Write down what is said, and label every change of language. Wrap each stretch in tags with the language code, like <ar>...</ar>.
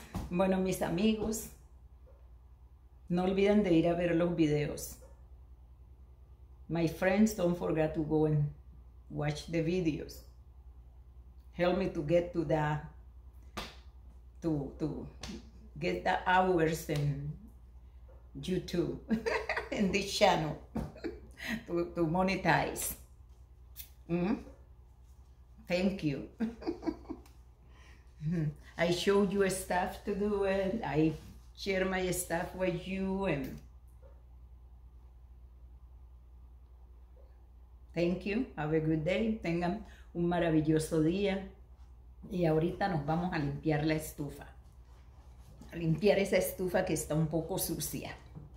<es>Bueno, mis amigos, no olviden de ir a ver los videos.</es> <en>My friends, don't forget to go and watch the videos. Help me to get to that, to get the hours in YouTube. In this channel to monetize. Thank you. I show you stuff to do and I share my stuff with you and thank you. Have a good day.</en> <es>Tengan un maravilloso día. Y ahorita nos vamos a limpiar la estufa. A limpiar esa estufa que está un poco sucia.</es>